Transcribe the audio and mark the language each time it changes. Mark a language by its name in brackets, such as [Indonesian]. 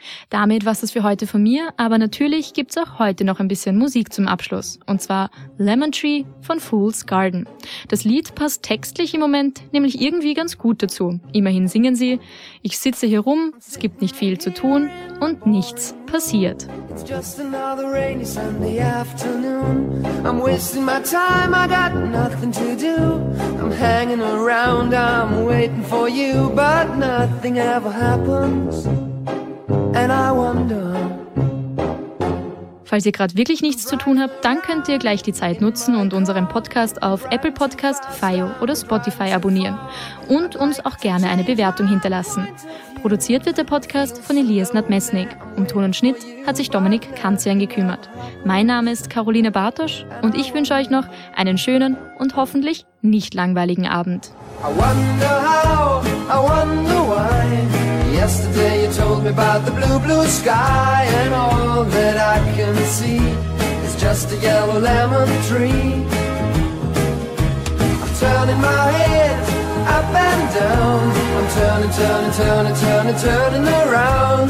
[German] Damit war es für heute von mir, aber natürlich gibt's auch heute noch ein bisschen Musik zum Abschluss. Und zwar Lemon Tree von Fool's Garden. Das Lied passt textlich im Moment nämlich irgendwie ganz gut dazu. Immerhin singen sie, ich sitze hier rum, es gibt nicht viel zu tun und nichts passiert. [English] It's just another rainy Sunday afternoon. I'm wasting my time, I got nothing to do. I'm hanging around, I'm waiting for you, but nothing ever happens. And I wonder. [German] Falls ihr gerade wirklich nichts zu tun habt, dann könnt ihr gleich die Zeit nutzen und unseren Podcast auf Apple Podcast, Fio oder Spotify abonnieren und uns auch gerne eine Bewertung hinterlassen. Produziert wird der Podcast von Elias Nadmesnik. Um Ton und Schnitt hat sich Dominik Kanzian gekümmert. Mein Name ist Caroline Bartosch und ich wünsche euch noch einen schönen und hoffentlich nicht langweiligen Abend. [English] I wonder how, I wonder why. Yesterday you told me about the blue, blue sky. And all that I can see is just a yellow lemon tree. I'm turning my head up and down. I'm turning, turning, turning, turning, turning around.